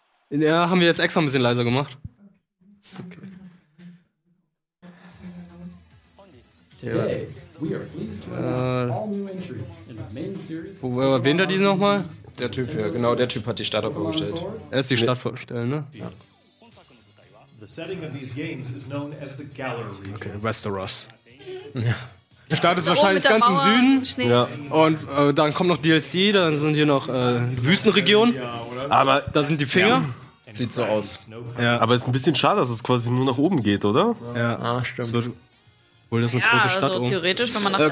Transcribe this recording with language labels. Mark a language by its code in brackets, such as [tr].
[de] Ja, haben wir jetzt extra ein bisschen leiser gemacht. Ist okay. Wen da diese nochmal? Der Typ, ja, genau, der Typ hat die Stadt vorgestellt. Er ist die Stadt vorgestellt, ne? Ja. [en] The setting of these games is known as the Galar region. [de] Okay, Westeros. Ja. Der Start ist wahrscheinlich ganz im Süden. Ja. Und dann kommt noch DLC, dann sind hier noch Wüstenregionen. Aber da sind die Finger. Ja. Sieht so aus. Ja. Aber es ist ein bisschen schade, dass es quasi nur nach oben geht, oder? Ja. Ah, stimmt. Obwohl, das ist eine ja, große Stadt. Ja, also theoretisch, wenn man nach